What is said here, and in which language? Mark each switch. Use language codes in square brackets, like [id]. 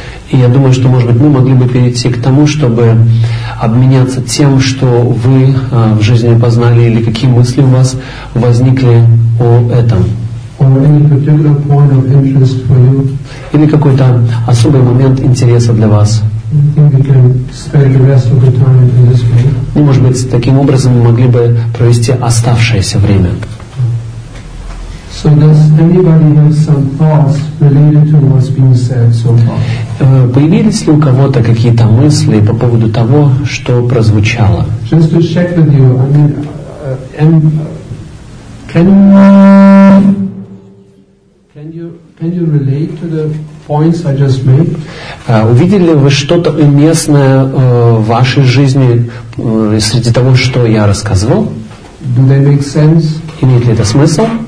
[ru] И я думаю, что, может быть, мы могли бы перейти к тому, чтобы обменяться тем, что вы в жизни познали, или какие мысли у вас возникли о этом. [en] Or any particular point of interest for you. [ru] Или какой-то особый момент интереса для вас. [en] I think we can spend the rest of the time in this way. [ru] Ну, может быть, таким образом мы могли бы провести оставшееся время. [en] So does anybody have some thoughts related to what's been said so far? [ru] Появились ли у кого-то какие-то мысли по поводу того, что прозвучало? [en] Just to check with you, I mean, can you relate to the points I just made? [ru] Увидели ли вы что-то уместное в вашей жизни среди того, что я рассказывал? [en] Do they make sense? [ru] Имеет ли это смысл?